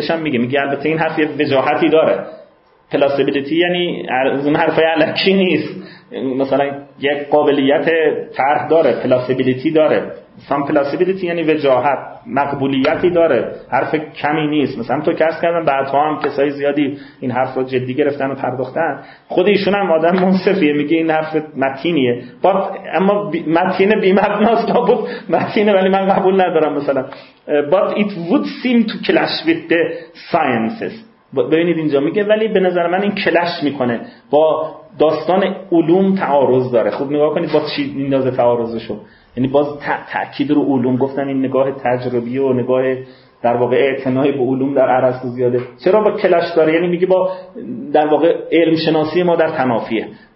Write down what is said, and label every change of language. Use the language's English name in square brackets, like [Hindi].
[Persian] خودش هم میگه البته این حرف یه وجاهتی داره. Plausibility یعنی از اون حرفای علکی نیست، مثلا یک قابلیت طرح داره، plausibility داره، some plausibility یعنی وجاهت، مقبولیتی داره، حرف کمی نیست. مثلا تو کس کردم بعدها هم کسای زیادی این حرف رو جدی گرفتن و پرداختن. خود ایشون هم آدم منصفیه، میگه این حرف متینیه، اما متین بی‌معناست تا بود متینه، ولی من قبول ندارم. مثلا [English] but it would seem to clash with the sciences. [Persian] ببینید اینجا میگه ولی به نظر من این کلش میکنه با داستان علوم، تعارض داره. خوب نگاه کنید با چی میندازه تعارضشو، یعنی باز تأکید رو علوم، گفتن این نگاه تجربی و نگاه در واقع اعتنای به علوم در ارسطو زیاده، چرا با کلش داره؟ یعنی میگه با در واقع علم شناسی ما در تنافیه.